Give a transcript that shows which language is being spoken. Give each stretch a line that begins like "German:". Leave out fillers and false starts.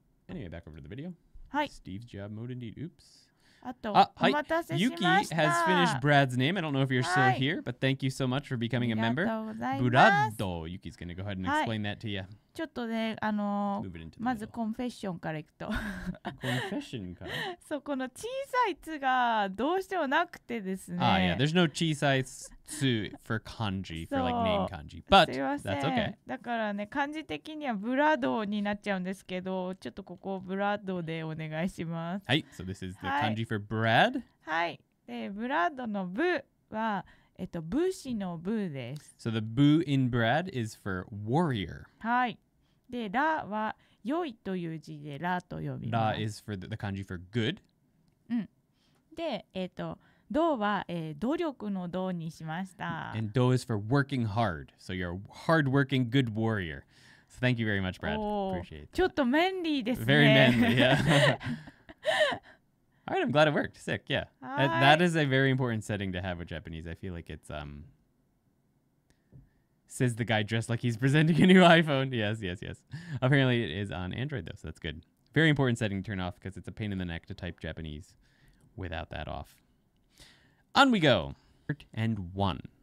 English: Anyway, back over to the video. Hi. Steve's job mode indeed. Oops. Hi. Yuki has finished Brad's name. I don't know if you're still here, but thank you so much for becoming a member. Burado. Yuki's going to go ahead and explain that to you.
Japanese: ちょっとね、
English: move it into the
Japanese: まずコンフェッションからいくと。コンフェッションから？そう、この小さい図がどうしてもなくてですね。
English: Yeah. There's no 小さい図 for kanji, for like name kanji. But that's okay.
Japanese: だからね、漢字的にはブラドになっちゃうんですけど、ちょっとここブラドでお願いします。
English: はい、so this is the kanji for Brad.
Japanese: はい、で、ブラドのブは、武士の武です。
English: So the ブ in Brad is for warrior.
Japanese: はい。で、ラは良いという字でラと呼びます。
English: ラ is for the kanji for good.
Japanese: うん。で、道は、努力の道にしました。
English: And 道 is for working hard. So you're a hardworking good warrior. So thank you very much, Brad. Appreciate it.
Japanese: ちょっとメンリーですね。
English: Very manly, yeah. All right, I'm glad it worked. Sick, yeah. That is a very important setting to have with Japanese. I feel like it's, says the guy dressed like he's presenting a new iPhone. Yes, yes, yes. Apparently it is on Android though, so that's good. Very important setting to turn off because it's a pain in the neck to type Japanese without that off. On we go. And one.